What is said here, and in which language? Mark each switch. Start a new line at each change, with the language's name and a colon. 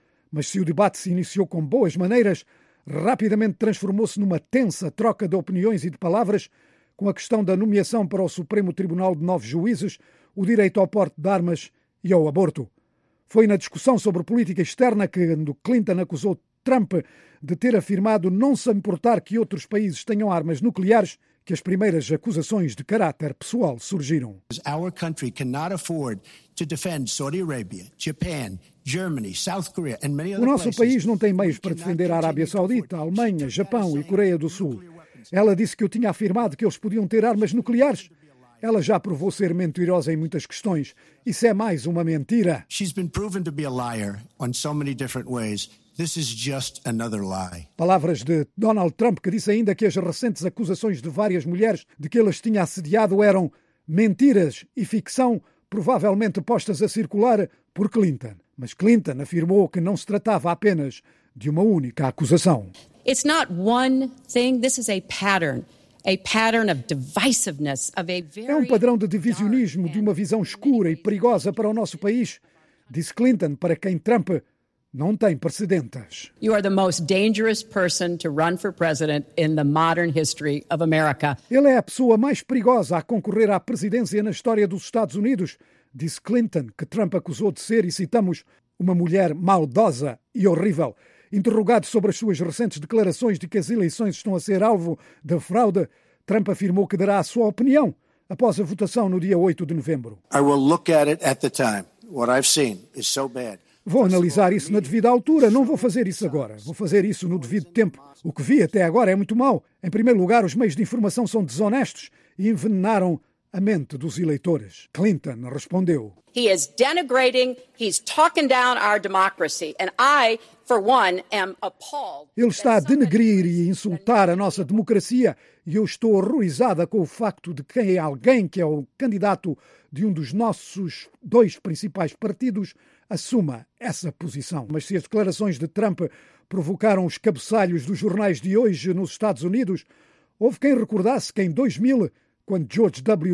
Portuguese: Mas se o debate se iniciou com boas maneiras, rapidamente transformou-se numa tensa troca de opiniões e de palavras, com a questão da nomeação para o Supremo Tribunal de 9 juízes, o direito ao porte de armas e ao aborto. Foi na discussão sobre política externa que Clinton acusou Trump de ter afirmado não se importar que outros países tenham armas nucleares que as primeiras acusações de caráter pessoal surgiram.
English: Our country cannot afford to defend Saudi Arabia, Japan, Germany, South Korea and many other places.
Portuguese: O nosso país não tem meios para defender a Arábia Saudita, a Alemanha, Japão e Coreia do Sul. Ela disse que eu tinha afirmado que eles podiam ter armas nucleares. Ela já provou ser mentirosa em muitas questões. Isso é mais uma mentira.
English: She's been proven to be a liar on so many different ways. This is just another lie.
Portuguese: Palavras de Donald Trump, que disse ainda que as recentes acusações de várias mulheres de que ele as tinha assediado eram mentiras e ficção, provavelmente postas a circular por Clinton. Mas Clinton afirmou que não se tratava apenas de uma única acusação.
English: It's not one thing, this is a pattern.
Portuguese: É um padrão de divisionismo, de uma visão escura e perigosa para o nosso país, disse Clinton, para quem Trump não tem precedentes.
English: You are the most dangerous person to run for president in the modern history of America.
Portuguese: Ele é a pessoa mais perigosa a concorrer à presidência na história dos Estados Unidos, disse Clinton, que Trump acusou de ser, e citamos, uma mulher maldosa e horrível. Interrogado sobre as suas recentes declarações de que as eleições estão a ser alvo de fraude, Trump afirmou que dará a sua opinião após a votação no dia 8 de novembro.
English: I will look at it at the time. What I've seen is so bad.
Portuguese: Vou analisar isso na devida altura, não vou fazer isso agora. Vou fazer isso no devido tempo. O que vi até agora é muito mau. Em primeiro lugar, os meios de informação são desonestos e envenenaram a mente dos eleitores. Clinton respondeu.
English: He is denigrating, he's talking down our democracy, and I, for one, am appalled.
Portuguese: Ele está a denegrir e insultar a nossa democracia, e eu estou horrorizada com o facto de que alguém que é o candidato de um dos nossos dois principais partidos assuma essa posição. Mas se as declarações de Trump provocaram os cabeçalhos dos jornais de hoje nos Estados Unidos, houve quem recordasse que em 2000, quando George W.